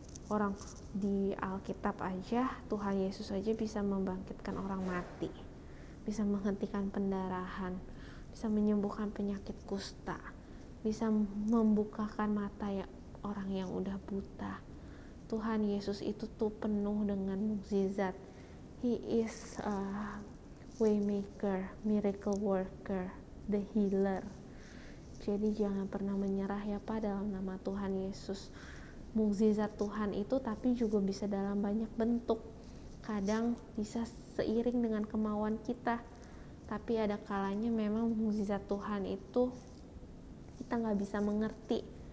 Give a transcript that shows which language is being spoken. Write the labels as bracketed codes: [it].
[id] Orang di Alkitab aja, Tuhan Yesus aja bisa membangkitkan orang mati, bisa menghentikan pendarahan, bisa menyembuhkan penyakit kusta, bisa membukakan mata orang yang udah buta. Tuhan Yesus itu tuh penuh dengan mukjizat. [en] He is a way maker, miracle worker, the healer. [id] Jadi jangan pernah menyerah, ya, Pak, dalam nama Tuhan Yesus. Mukjizat Tuhan itu tapi juga bisa dalam banyak bentuk. Kadang bisa seiring dengan kemauan kita. Tapi ada kalanya memang mukjizat Tuhan itu kita nggak bisa mengerti.